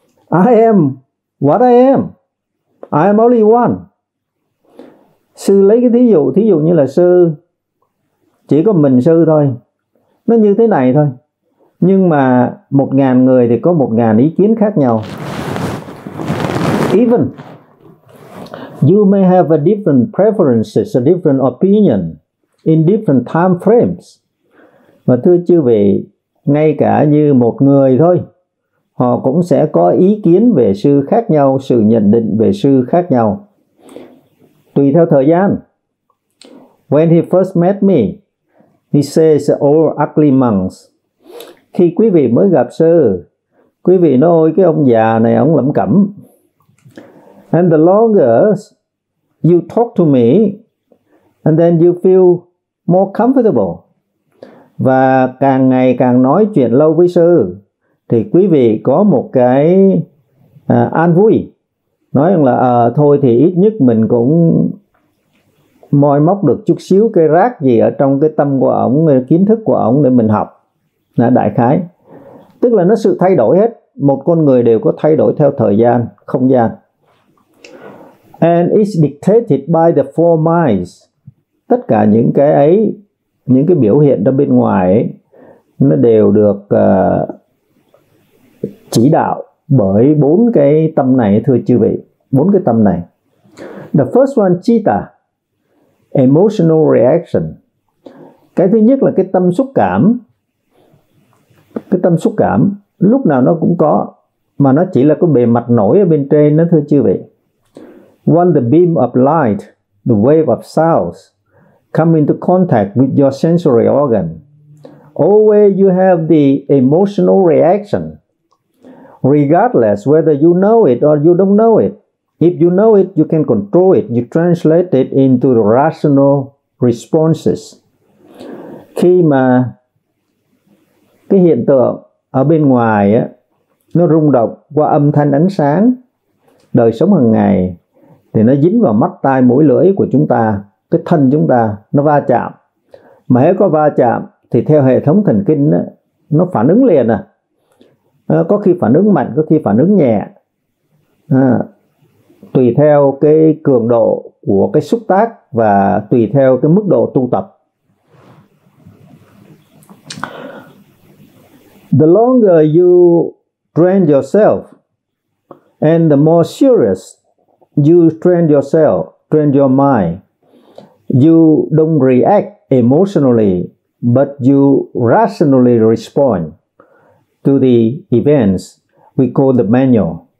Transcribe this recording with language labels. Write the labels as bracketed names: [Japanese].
[English] I am what I am. I am only one. [Vietnamese] sư lấy cái thí dụ như là sư chỉ có mình sư thôi, nó như thế này thôi, nhưng mà 1.000 người thì có 1.000 ý kiến khác nhau. [English] Even you may have a different preferences, a different opinion in different time frames. [Vietnamese] Và thưa chư vị, ngay cả như một người thôi, họ cũng sẽ có ý kiến về sư khác nhau, sự nhận định về sư khác nhau, tùy theo thời gian. [English] When he first met me, he says, "All ugly monks." [Vietnamese] Khi quý vị mới gặp sư, quý vị nói, cái ông già này, ông lẩm cẩm. [English] And the longer you talk to me, and then you feel more comfortable. [Vietnamese] Và càng ngày càng nói chuyện lâu với sư, thì quý vị có một cái an vui. Nói rằng là thôi thì ít nhất mình cũng moi móc được chút xíu cái rác gì ở trong cái tâm của ổng, kiến thức của ổng để mình học. Đã đại khái. Tức là nó sự thay đổi hết. Một con người đều có thay đổi theo thời gian, không gian. [English] And it's dictated by the four minds. [Vietnamese] Tất cả những cái ấy, những cái biểu hiện ra bên ngoài ấy, nó đều được chỉ đạo bởi bốn cái tâm này, thưa chư vị. Bốn cái tâm này. [English] The first one, citta, emotional reaction. [Vietnamese] Cái thứ nhất là cái tâm xúc cảm. Cái tâm xúc cảm lúc nào nó cũng có, mà nó chỉ là cái bề mặt nổi ở bên trên đó, thưa chư vị. [English] One, the beam of light, the wave of sounds come into contact with your sensory organ. Always you have the emotional reaction, regardless whether you know it or you don't know it. If you know it, you can control it. You translate it into the rational responses. [Vietnamese] Khi mà cái hiện tượng ở bên ngoài á, nó rung động qua âm thanh ánh sáng, đời sống hàng ngày, thì nó dính vào mắt tai mũi lưỡi của chúng ta, cái thân chúng ta, nó va chạm. Mà hễ có va chạm thì theo hệ thống thần kinh á, nó phản ứng liền à. Có khi phản ứng mạnh, có khi phản ứng nhẹ. Tùy theo cái cường độ của cái xúc tác và tùy theo cái mức độ tu tập. [English] The longer you train yourself and the more serious you train yourself, train your mind, you don't react emotionally, but you rationally respond to the events we call the manual.